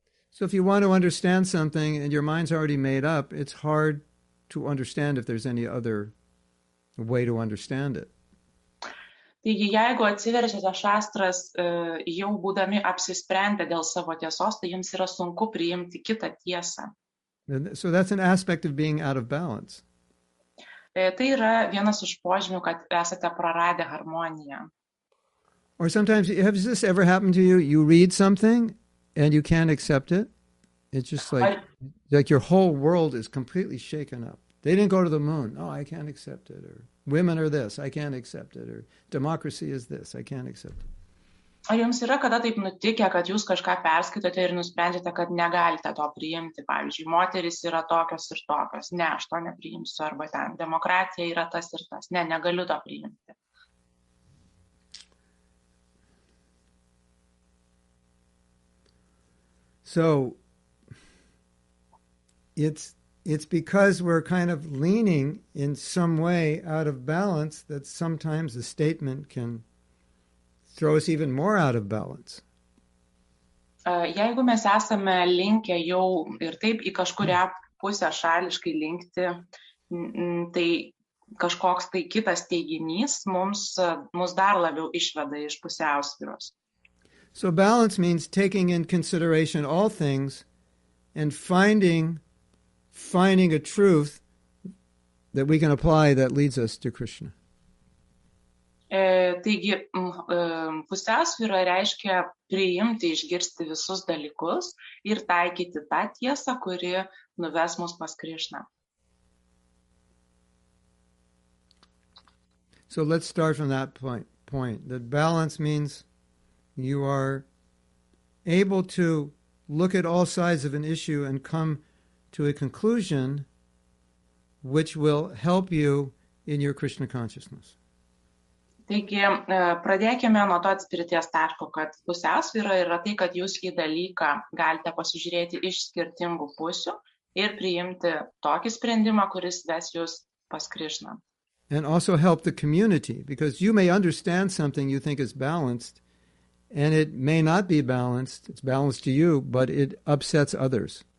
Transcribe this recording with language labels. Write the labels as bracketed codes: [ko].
[en] So if you want to understand something and your mind's already made up, it's hard to understand if there's any other way to understand it. [lt] Taigi, jeigu atsiveržiate šastras jau būdami apsisprendę dėl savo tiesos, tai jums yra sunku priimti kitą tiesą. [en] So that's an aspect of being out of balance. [lt] Tai yra vienas iš požymių, kad esate praradę harmoniją. [en] Or sometimes, has this ever happened to you? You read something and you can't accept it. It's just like, like your whole world is completely shaken up. They didn't go to the moon. Oh, I can't accept it. Or women are this. I can't accept it. Or democracy is this. I can't accept it. [lt] Ar jums yra kada taip nutikę, kad jūs kažką perskaitote ir nusprendžiate, kad negalite to priimti? Pavyzdžiui, moteris yra tokios ir tokios. Ne, aš to nepriimsiu. Arba ten demokratija yra tas ir tas. Ne, negaliu to priimti. [en] So, it's because we're kind of leaning in some way out of balance that sometimes a statement can throw us even more out of balance. [lt] Jeigu mes esame linkę jau ir taip į kažkurią pusę šališkai linkti, tai kažkoks tai kitas teiginys mus dar labiau išveda iš pusiausvyros. [en] So balance means taking in consideration all things and finding a truth that we can apply that leads us to Krishna. [lt] Taigi, pusiausvyra reiškia priimti, išgirsti visus dalykus ir taikyti tą tiesą, kuri nuves mus pas Krishna. [en] So let's start from that point, that balance means you are able to look at all sides of an issue and come to a conclusion which will help you in your Krishna consciousness. [lt] Taigi, pradėkime nuo to atspirties taško, kad pusiausvyra yra tai, kad jūs į dalyką galite pasižiūrėti iš skirtingų pusių ir priimti tokį sprendimą, kuris ves jūs pas Krishna. [en] And also help the community, because you may understand something you think is balanced, and it may not be balanced, it's balanced to you, but it upsets others.